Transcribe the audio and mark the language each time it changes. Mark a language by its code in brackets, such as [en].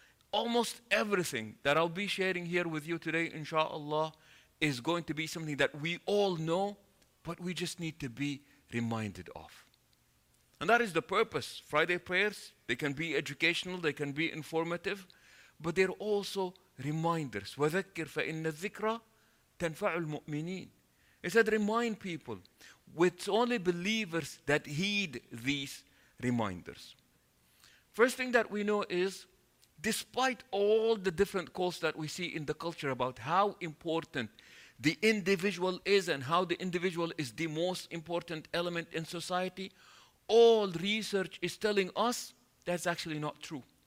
[en] Almost everything that I'll be sharing here with you today, inshallah, is going to be something that we all know, but we just need to be reminded of. And that is the purpose. Friday prayers, they can be educational, they can be informative, but they're also reminders. [ar] وَذَكِّرْ فَإِنَّ الذِّكْرَى تَنْفَعُ الْمُؤْمِنِينَ [en] It said, remind people. It's only believers that heed these reminders. First thing that we know is, despite all the different calls that we see in the culture about how important the individual is and how the individual is the most important element in society, all research is telling us that's actually not true.